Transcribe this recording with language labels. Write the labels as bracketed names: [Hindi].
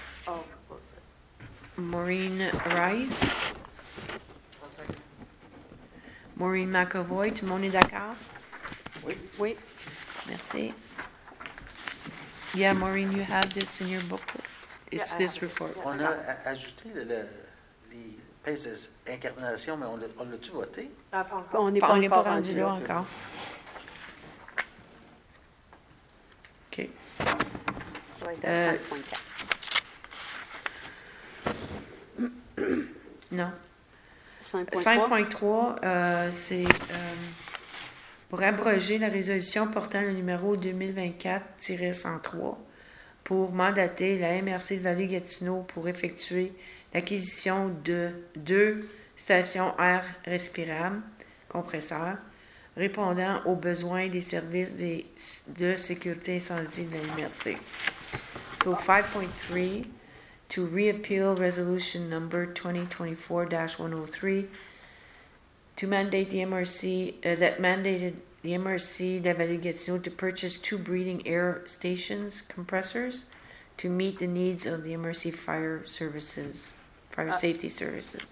[English] Oh, what was it? Maureen Rice. One second. [French] Maureen McAvoy, tout le monde est d'accord? Oui. Oui. Merci. [English] Yeah, Maureen, you have this in your booklet. It's yeah, this it. Report. Yeah. [French] On a ajouté les pèses d'incarnation, mais on l'a-tu voté? On n'est pas rendu là encore. OK. Oui, 5.4. Non. 5.3, c'est... pour abroger la résolution portant le numéro 2024-103 pour mandater la MRC de Vallée-Gatineau pour effectuer l'acquisition de 2 stations air respirables, compresseurs, répondant aux besoins des services de sécurité incendie de la MRC. [English] So 5.3, to reappeal resolution number 2024-103 to mandate the MRC, that mandated the MRC de Vallée-Gatineau to purchase 2 breathing air stations compressors to meet the needs of the MRC fire safety services.